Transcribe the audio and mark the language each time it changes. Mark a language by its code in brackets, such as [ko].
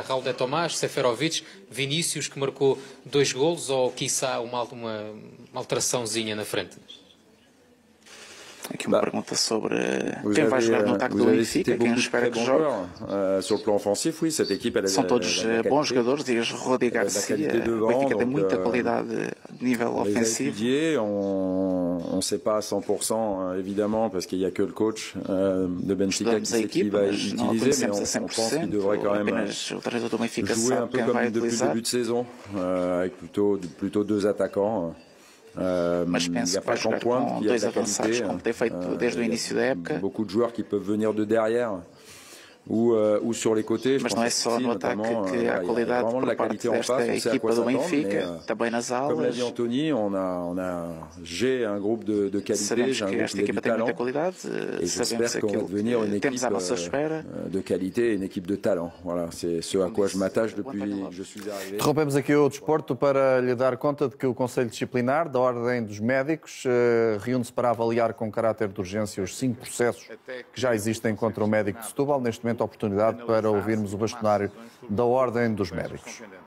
[pt] Raul de Tomás, Seferovic, Vinícius, que marcou dois golos, ou, quiçá, uma alteraçãozinha na frente? Aqui uma pergunta sobre quem vai jogar no ataque do Benfica, quem espera que jogue. São todos bons jogadores, diz Rudi Garcia. O Benfica tem muita qualidade a nível ofensivo. [fr] On ne sait pas à 100%, évidemment, parce qu'il n'y a que le coach de Benfica qui va utiliser, mais on pense qu'il devrait quand même jouer un peu comme depuis le début de saison, avec plutôt deux attaquants. [pt] Mas penso que vai jogar com dois avançados, como tem feito desde o início da época. [fr] Beaucoup de joueurs qui peuvent venir de derrière ou sur les côtés. [pt] Mas não é só no ataque que há qualidade por parte desta equipa do Benfica, também nas alas. [fr] Como Anthony, j'ai un groupe de qualité. [pt] Sabemos que esta equipa tem muita qualidade, sabemos que temos à nossa espera [fr] de qualité e une équipe de talent. Voilà, c'est ce à quoi je m'attache depuis que je suis arrivé. [pt] Interrompemos aqui o desporto para lhe dar conta de que o Conselho Disciplinar da Ordem dos Médicos reúne-se para avaliar com caráter de urgência os 5 processos que já existem contra o médico de Setúbal. Neste momento, oportunidade para ouvirmos o bastonário da Ordem dos Médicos.